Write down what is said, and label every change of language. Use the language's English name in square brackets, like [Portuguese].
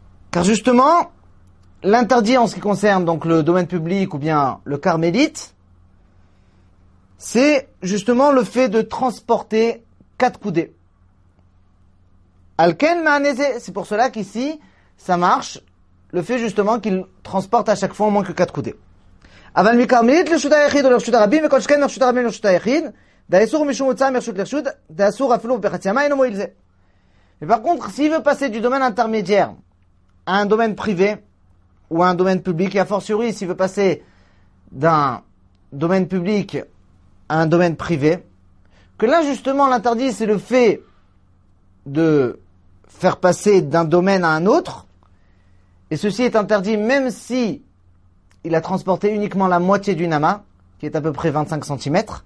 [French] Car justement, l'interdit en ce qui concerne donc le domaine public ou bien le Carmélite, c'est justement le fait de transporter 4 coudées. Alken Ma'anese, c'est pour cela qu'ici, ça marche, le fait justement qu'il transporte à chaque fois au moins que 4 coudées. [Hebrew] אבל מקרמלית לרשות היחיד או לרשות הרבים, וכל שכן לרשות הרבים לרשות היחיד, דאסור משום הוצאה מרשות לרשות, דאסור אפילו בחצי המים, אינו מועיל זה. [French] Par contre, s'il veut passer du domaine intermédiaire à un domaine privé ou à un domaine public, et a fortiori, s'il veut passer d'un domaine public à un domaine privé, que là, justement, l'interdit, c'est le fait de faire passer d'un domaine à un autre, et ceci est interdit même si il a transporté uniquement la moitié du nama, qui est à peu près 25 cm.